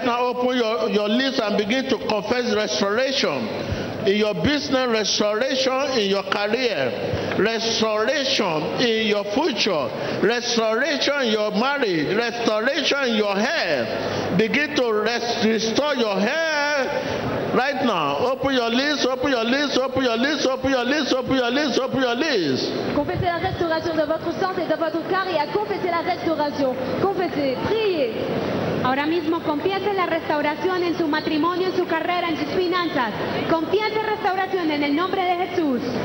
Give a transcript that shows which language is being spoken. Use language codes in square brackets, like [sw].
[en] Right now, open your lips and begin to confess restoration in your business, restoration in your career, restoration in your future, restoration in your marriage, restoration in your hair. Begin to restore your hair. Right now, open your lips, open your lips, open your lips, open your lips, open your lips, open your lips. [fr] Confessez la restauration de votre santé et de votre carrière. Confessez la restauration. Confessez, priez. [es] Ahora mismo, confiese la restauración en su matrimonio, en su carrera, en sus finanzas. Confiese restauración en el nombre de Jesús.